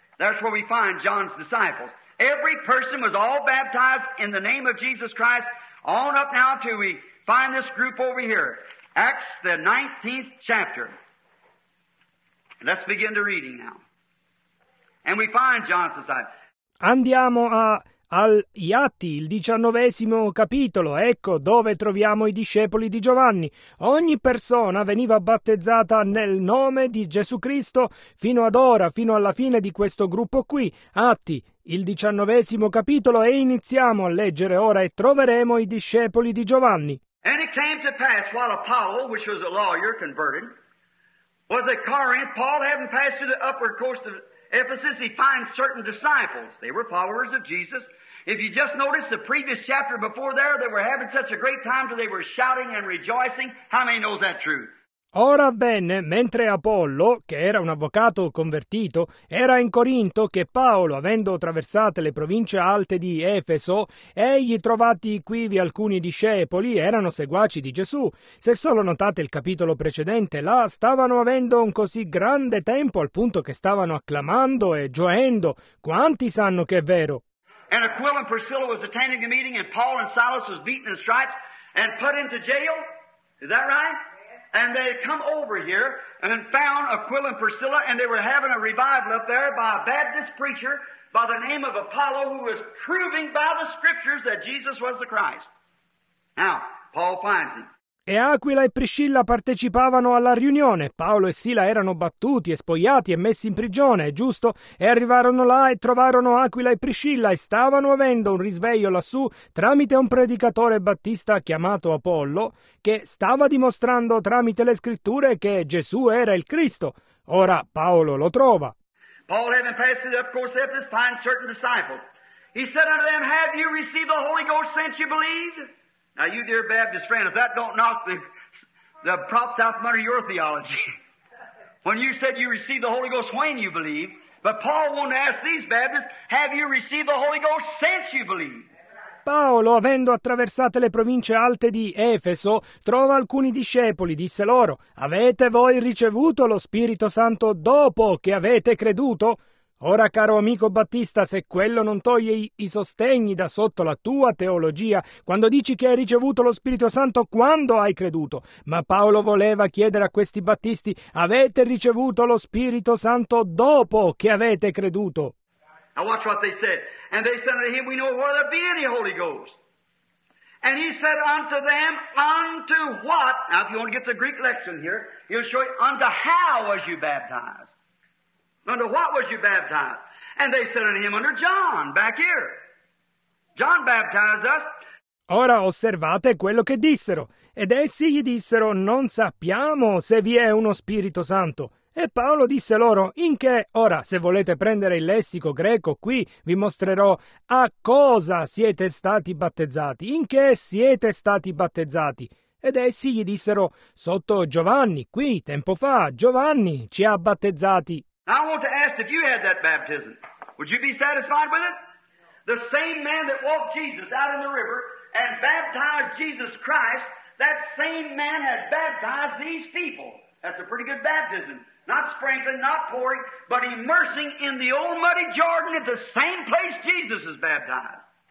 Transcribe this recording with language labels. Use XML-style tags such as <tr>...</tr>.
<en>That's where we find John's disciples. Every person was all baptized in the name of Jesus Christ. On up now till we find this group over here. Acts, the 19th chapter. Let's begin the reading now. And we find John's disciples.</en> <it>Andiamo agli Atti, il 19° capitolo, ecco dove troviamo i discepoli di Giovanni. Ogni persona veniva battezzata nel nome di Gesù Cristo fino ad ora, fino alla fine di questo gruppo qui. Atti, il 19° capitolo, e iniziamo a leggere ora e troveremo i discepoli di Giovanni.</it> <en>And it came to pass while Apollo, which was a lawyer converted, was at Corinth, Paul having passed through the upper coast of Ephesus, he finds certain disciples. They were followers of Jesus. If you just noticed the previous chapter before there, they were having such a great time till they were shouting and rejoicing. How many knows that truth?</en> <it>Ora avvenne, mentre Apollo, che era un avvocato convertito, era in Corinto, che Paolo, avendo attraversate le province alte di Efeso, egli trovati quivi alcuni discepoli, erano seguaci di Gesù. Se solo notate il capitolo precedente, là stavano avendo un così grande tempo al punto che stavano acclamando e gioendo. Quanti sanno che è vero?</it> <en>And Aquila and Priscilla was attending the meeting, and Paul and Silas was beaten in stripes and put into jail. Is that right? And they come over here and found Aquila and Priscilla, and they were having a revival up there by a Baptist preacher by the name of Apollo, who was proving by the scriptures that Jesus was the Christ. Now, Paul finds him.</en> <it>E Aquila e Priscilla partecipavano alla riunione. Paolo e Sila erano battuti e spogliati e messi in prigione, giusto? E arrivarono là e trovarono Aquila e Priscilla e stavano avendo un risveglio lassù tramite un predicatore battista chiamato Apollo, che stava dimostrando tramite le scritture che Gesù era il Cristo. Ora Paolo lo trova.</it> <en>Paul, having passed through the upper course at this time, certain disciples, he said unto them, have you received the Holy Ghost since you believed? Now, you dear Baptist friend, if that don't knock the props out from under your theology, when you said you received the Holy Ghost when you believed, but Paul wanted to ask these Baptists, have you received the Holy Ghost since you believed?</en> <it>Paolo, avendo attraversate le province alte di Efeso, trova alcuni discepoli, disse loro, avete voi ricevuto lo Spirito Santo dopo che avete creduto? Ora, caro amico Battista, se quello non toglie i sostegni da sotto la tua teologia, quando dici che hai ricevuto lo Spirito Santo quando hai creduto, ma Paolo voleva chiedere a questi Battisti, avete ricevuto lo Spirito Santo dopo che avete creduto?</it> <en>Now watch what they said. And they said unto him, we know whether there be any Holy Ghost. And he said unto them, unto what? Now if you want to get the Greek lexicon here, he'll show you, unto how was you baptized? Unto what was you baptized? And they said unto him, under John, back here. John baptized us.</en> <it>Ora osservate quello che dissero. Ed essi gli dissero, non sappiamo se vi è uno Spirito Santo. E Paolo disse loro, in che, ora, se volete prendere il lessico greco, qui vi mostrerò a cosa siete stati battezzati, in che siete stati battezzati. Ed essi gli dissero, sotto Giovanni, qui, tempo fa, Giovanni ci ha battezzati.</it> <en>I want to ask if you had that baptism. Would you be satisfied with it? The same man that walked Jesus out in the river and baptized Jesus Christ, that same man had baptized these people. That's a pretty good baptism. Not sprinkling, not pouring, but immersing in the old muddy Jordan at the same place Jesus is baptized.</en>